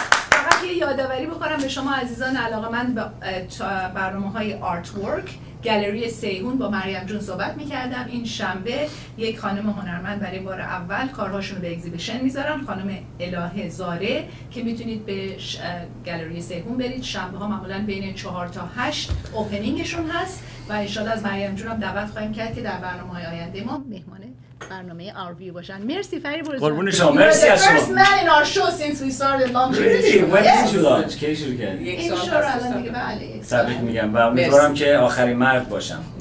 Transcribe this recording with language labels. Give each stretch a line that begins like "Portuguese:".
Persian: فقط یه یادآوری بکنم به شما عزیزان علاقمند به برنامه های آرت ورک، گالری سیهون با مریم جون صحبت میکردم این شنبه، یک خانم هنرمند برای بار اول کارهاشون رو به اگزیبیشن میذارن، خانم الهه زاره، که میتونید به گالری سیهون برید. شنبه ها معمولا بین 4 تا 8 اوپنینگشون هست و انشاءالله از مریم جون هم دعوت خواهیم کرد که در برنامه های آینده ما مهمانه برنامه آرویو باشن. مرسی فری بروزن. قربون شما. مرسی از شما.
English: First man in our show since we started launching. Really? When did you launch?
Persian: کی شروع کردی؟ این شروع الان دیگه بله. تبریک میگم و امیدوارم که آخرین مرد باشم.